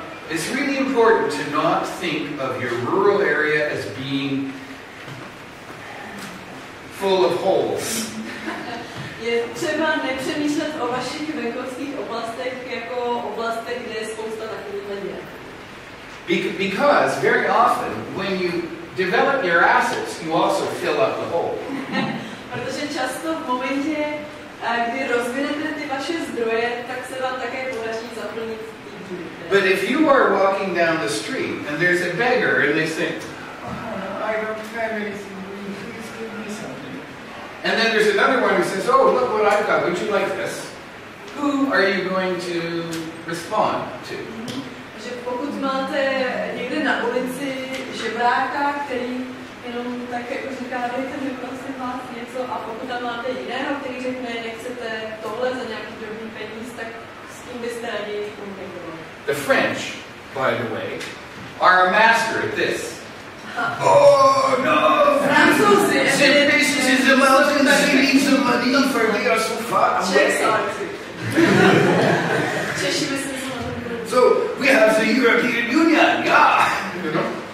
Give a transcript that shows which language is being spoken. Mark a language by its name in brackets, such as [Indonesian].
[English] It's really important to not think of your rural area as being full of holes. [Czech] Je třeba nepřemýšlet o vašich venkovských oblastech jako oblastech, kde je spousta takových lidí. [English] Because very often when you develop your assets, you also fill up the hole. [Czech] Protože často v momentě, kdy rozvinete ty vaše zdroje, tak se vám také podaří zaplnit ty díry. [English] But if you are walking down the street and there's a beggar and they say, oh, I don't have anything, please give me something. And then there's another one who says, oh, look what I've got, would you like this? Who are you going to respond to? [Czech] Že pokud máte někde na ulici žebráka, který jenom tak jako říká, dejte mi prosím vás něco, a pokud tam máte jiného, který řekne, nechcete tohle za nějaký drobný peníz, tak s tím byste raději komunikovali. [English] The French, by the way, are a master at this. Oh no! [Czech] Francouzi! C'est basic is a mountain, they need some money for me, are so far away. Czechsi. [English] So, we have the European Union, yeah, you know.